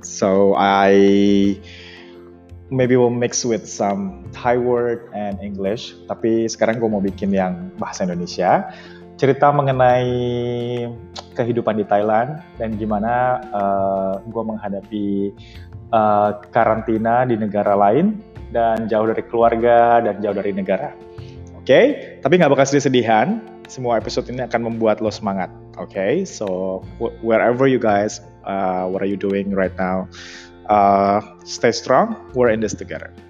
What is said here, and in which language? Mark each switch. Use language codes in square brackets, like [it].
[en] So I maybe will mix with some Thai word and English. [id] Tapi sekarang gue mau bikin yang bahasa Indonesia. Cerita mengenai kehidupan di Thailand dan gimana gue menghadapi karantina di negara lain dan jauh dari keluarga dan jauh dari negara. Oke, okay? Tapi gak bakal sedih-sedihan, semua episode ini akan membuat lo semangat. Oke, okay? [en] So wherever you guys, what are you doing right now, stay strong, we're in this together.